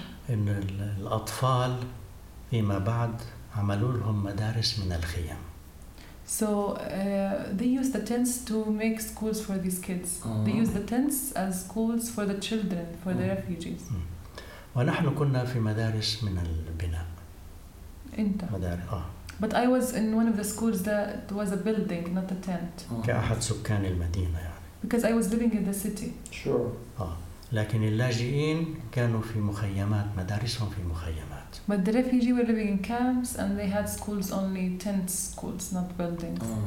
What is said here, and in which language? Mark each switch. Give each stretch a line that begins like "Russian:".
Arabic: إن الأطفال فيما بعد عملوا لهم مدارس من الخيام.
English: So they use the tents to make schools for these kids. Mm-hmm. They use the tents as schools for the children, for the refugees.
Arabic: ونحن كنا في مدارس من البناء. أنت. مدارس.
English: But I was in one of the schools that was a building, not a tent.
Arabic: Mm-hmm. كأحد سكان المدينة يعني.
English: Because I was living in the city. Sure.
Arabic: لكن اللاجئين كانوا في مخيمات مدارسهم في مخيمات.
English: But the refugees were living in camps and they had schools only, tent schools, not buildings.